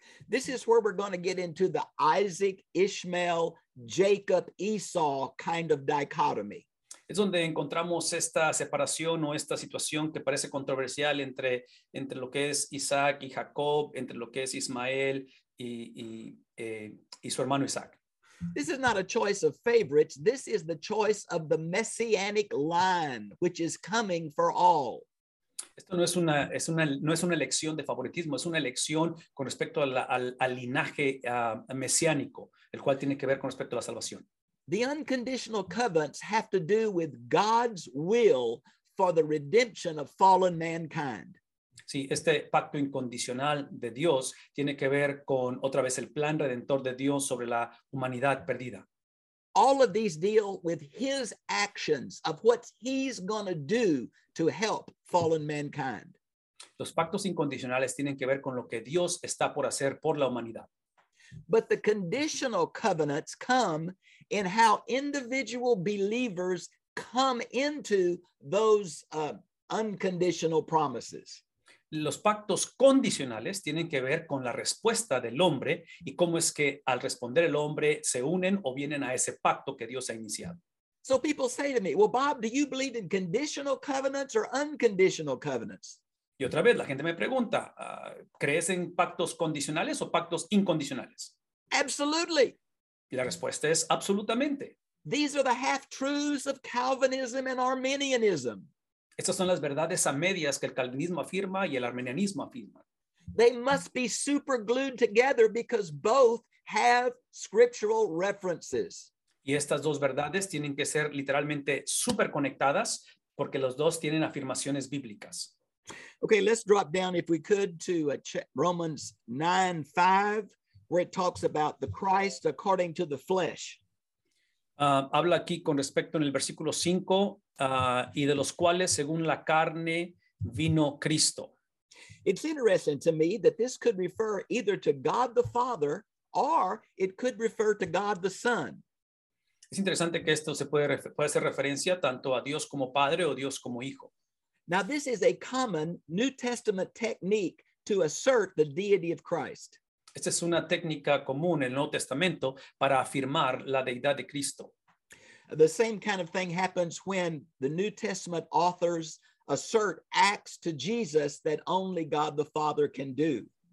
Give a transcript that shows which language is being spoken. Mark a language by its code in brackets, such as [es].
[en] This is where we're going to get into the Isaac, Ishmael, Jacob, Esau kind of dichotomy. [es] Es donde encontramos esta separación o esta situación que parece controversial entre lo que es Isaac y Jacob, entre lo que es Ismael y su hermano Isaac. [en] This is not a choice of favorites. This is the choice of the messianic line, which is coming for all. [es] Esto no es una, no es una elección de favoritismo, es una elección con respecto al linaje mesiánico, el cual tiene que ver con respecto a la salvación. [en] The unconditional covenants have to do with God's will for the redemption of fallen mankind. [es] Sí, este pacto incondicional de Dios tiene que ver con otra vez el plan redentor de Dios sobre la humanidad perdida. [en] All of these deal with his actions of what he's going to do to help fallen mankind. [es] Los pactos incondicionales tienen que ver con lo que Dios está por hacer por la humanidad. [en] But the conditional covenants come in how individual believers come into those unconditional promises. [es] Los pactos condicionales tienen que ver con la respuesta del hombre y cómo es que al responder el hombre se unen o vienen a ese pacto que Dios ha iniciado. [en] So people say to me, well, Bob, do you believe in conditional covenants or unconditional covenants? [es] Y otra vez la gente me pregunta, ¿crees en pactos condicionales o pactos incondicionales? [en] Absolutely. [es] Y la respuesta es absolutamente. [en] These are the half-truths of Calvinism and Arminianism. [es] Estas son las verdades a medias que el calvinismo afirma y el arminianismo afirma. [en] They must be super glued together because both have scriptural references. [es] Y estas dos verdades tienen que ser literalmente super conectadas porque los dos tienen afirmaciones bíblicas. [en] Okay, let's drop down if we could to Romans 9:5, where it talks about the Christ according to the flesh. [es] Habla aquí con respecto en el versículo 5, y de los cuales según la carne vino Cristo. [en] It's interesting to me that this could refer either to God the Father or it could refer to God the Son. [es] Es interesante que esto se puede hacer referencia tanto a Dios como Padre o Dios como Hijo. [en] Now this is a common New Testament technique to assert the deity of Christ. [es] Esta es una técnica común en el Nuevo Testamento para afirmar la deidad de Cristo. [en] The same kind of thing happens when the New Testament authors assert acts to Jesus that only God the Father can do.